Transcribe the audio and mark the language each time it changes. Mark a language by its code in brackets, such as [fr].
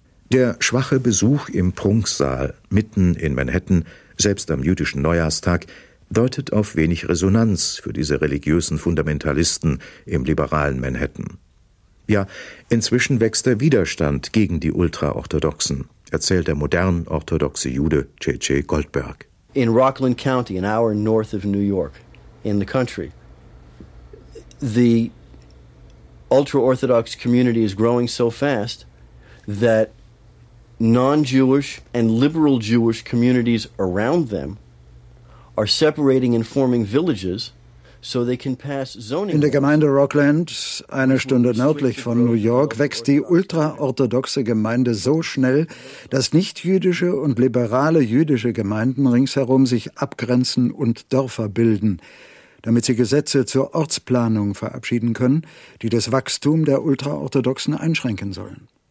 [de] Der schwache Besuch im Prunksaal mitten in Manhattan, selbst am jüdischen Neujahrstag, deutet auf wenig Resonanz für diese religiösen Fundamentalisten im liberalen Manhattan. Ja, inzwischen wächst der Widerstand gegen die Ultraorthodoxen, erzählt der modern orthodoxe Jude J.J. Goldberg. [en] in Rockland County, an hour north of New York, in the country. The ultra-Orthodox community is growing so fast that non-Jewish and liberal Jewish communities around them are separating and forming villages so they can pass zoning. [de] In der Gemeinde Rockland, eine Stunde nördlich von New York, wächst die ultra-orthodoxe Gemeinde so schnell, dass nicht-jüdische und liberale jüdische Gemeinden ringsherum sich abgrenzen und Dörfer bilden, damit sie Gesetze zur Ortsplanung verabschieden können, die das Wachstum der Ultraorthodoxen einschränken sollen.